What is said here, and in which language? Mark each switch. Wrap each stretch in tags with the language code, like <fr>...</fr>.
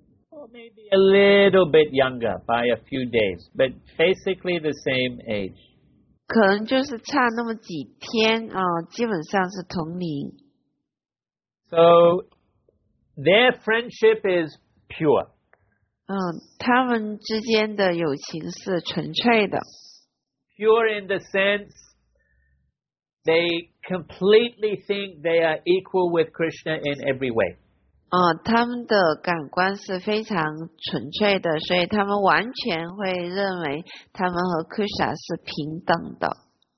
<en>Or maybe a little bit younger by a few days, but basically the same age.</en> <zh>可能就是差那么几天啊，基本上是同龄。</zh> <en>So their friendship is. Pure.</en> <zh>他们之间的友情是纯粹的。</zh> <en>Pure in the sense they completely think they are equal with Krishna in every way.</en> <zh>他们的感官是非常纯粹的，所以他们完全会认为他们和 Krishna 是平等的。</zh>